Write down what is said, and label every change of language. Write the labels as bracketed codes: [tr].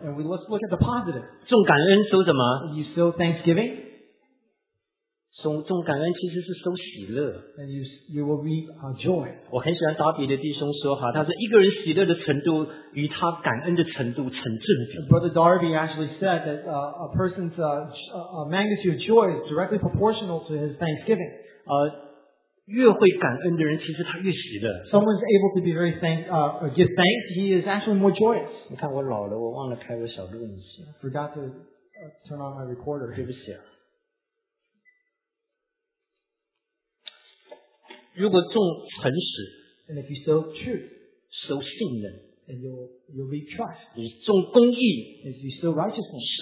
[en] ，and we let's look at the positive。 [zh] 种感恩收什么 [en] ？You sow thanksgiving， [zh] 种感恩其实是收喜乐。 [en] And you will reap joy. [zh] 我很喜欢达比的弟兄说哈，他说一个人喜乐的程度与他感恩的程度成正比。 [en] Brother Darby actually said that a person's magnitude of joy is directly proportional to his thanksgiving. [zh] 越会感恩的人其实他越喜乐。 [en] Someone's able to be very give thanks, he is actually more joyous. [zh] 你看我老了，我忘了开个小录音机。 [en] Forgot to turn on my recorder. [zh] 对不起啊。如果重诚实 [en] and if you sow truth, [zh] 收信任 [en] and you'll reap trust, [zh] 你重公义 [en] if you sow righteousness,